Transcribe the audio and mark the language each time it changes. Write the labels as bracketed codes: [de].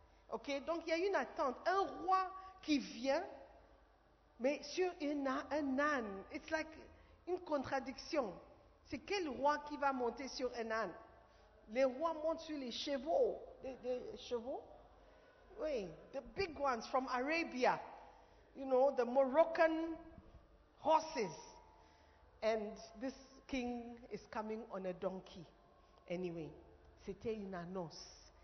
[fr] Ok, donc il y a une attente. Un roi qui vient, mais sur un âne. [en] It's like [fr] une contradiction. C'est quel roi qui va monter sur un âne? Les rois montent sur les chevaux. Les chevaux? Oui, [en] the big ones from Arabia. You know, the Moroccan horses. And this king is coming on a donkey. [fr] Anyway, c'était une annonce.